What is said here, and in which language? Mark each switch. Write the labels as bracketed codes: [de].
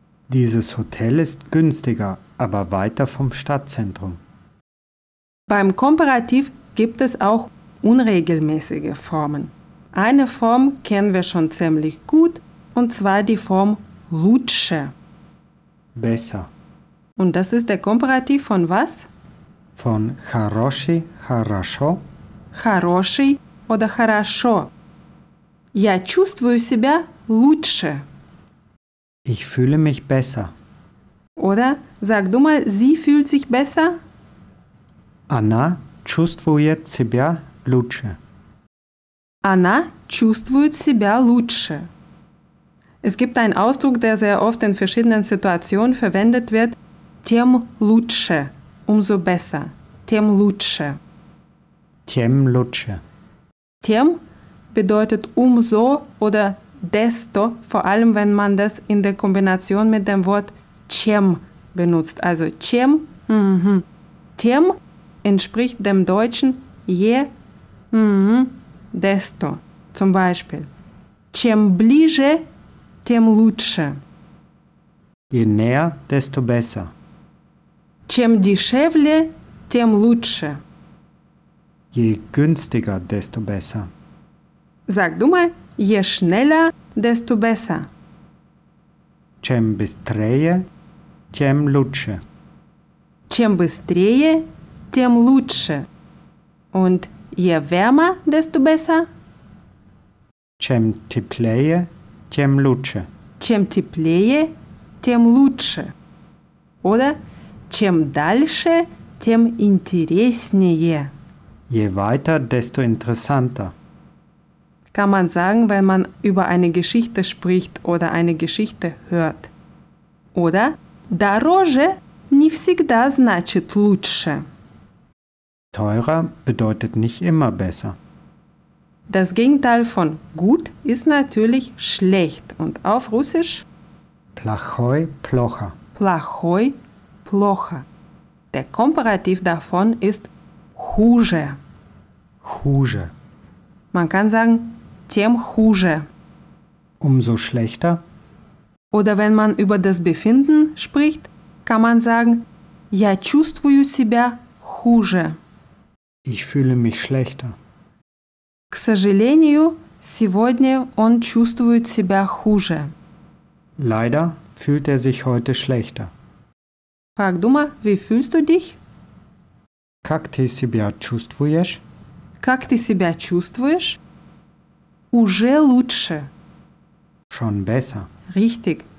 [de] Dieses Hotel ist günstiger, aber weiter vom Stadtzentrum. Beim Komparativ gibt es auch unregelmäßige Formen. Eine Form kennen wir schon ziemlich gut, und zwar die Form лучше. Besser. Und das ist der Komparativ von was? [ru] Von хороший, хорошо. Хороший oder хорошо. Я чувствую себя лучше. [de] Ich fühle mich besser. Oder sag du mal, sie fühlt sich besser? [ru] Она чувствует себя лучше. Она чувствует себя лучше. [de] Es gibt einen Ausdruck, der sehr oft in verschiedenen Situationen verwendet wird. [ru] Тем лучше. [de] Umso besser. [ru] Тем лучше. Тем лучше. [de] Тем bedeutet umso oder desto, vor allem wenn man das in der Kombination mit dem Wort чем benutzt. Also чем, тем entspricht dem Deutschen je, desto. Zum Beispiel, [ru] чем ближе, тем лучше. [de] Je näher, desto besser. [ru] Чем дешевле, тем лучше. [de] Je günstiger, desto besser. Sag du mal, je schneller, desto besser. [ru] Чем быстрее, тем лучше. Чем быстрее, тем лучше. [de] Und je wärmer, desto besser. [ru] Чем теплее, тем лучше. Чем теплее, тем лучше. Oder чем дальше, тем интереснее. [de] Je weiter, desto interessanter. Kann man sagen, wenn man über eine Geschichte spricht oder eine Geschichte hört. [ru] Oder дороже не всегда значит лучше. [de] Teurer bedeutet nicht immer besser. Das Gegenteil von gut ist natürlich schlecht. Und auf Russisch? [ru] Плохой, плохо. Плохой, плохо. [de] Der Komparativ davon ist хуже. [ru] Хуже. [de] Man kann sagen, [ru] тем хуже. [de] Umso schlechter. Oder wenn man über das Befinden spricht, kann man sagen, [ru] я чувствую себя хуже. [de] Ich fühle mich schlechter. [ru] К сожалению, сегодня он чувствует себя хуже. [de] Leider fühlt er sich heute schlechter. Frag du mal, wie fühlst du dich? [ru] Как ты себя чувствуешь? Как ты себя чувствуешь? Уже лучше. [de] Schon besser. Richtig.